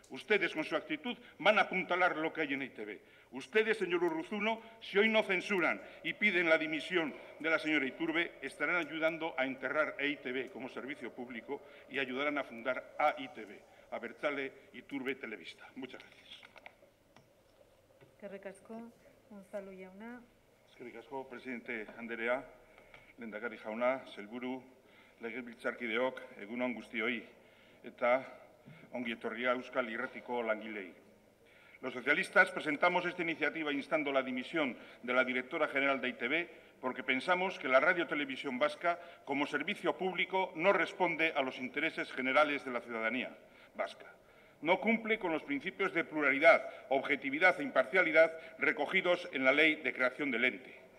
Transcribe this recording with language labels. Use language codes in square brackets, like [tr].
[es] Ustedes, con su actitud, van a apuntalar lo que hay en EITV. Ustedes, señor Urruzuno, si hoy no censuran y piden la dimisión de la señora Iturbe, estarán ayudando a enterrar EITV como servicio público y ayudarán a fundar AITV, Abertzale Iturbe Televista. Muchas gracias. [eu] Eskerrik asko, Unzalu jauna. Eskerrik asko, presidente Anderea, lehendakari jauna, sailburu, legebiltzarkideok, egunon guztioi, eta ongi etorria Euskal Irratiko langilei. [es] Los socialistas presentamos esta iniciativa instando la dimisión de la directora general de EITV porque pensamos que la Radio Televisión Vasca, como servicio público, no responde a los intereses generales de la ciudadanía vasca. No cumple con los principios de pluralidad, objetividad e imparcialidad recogidos en la ley de creación del ente.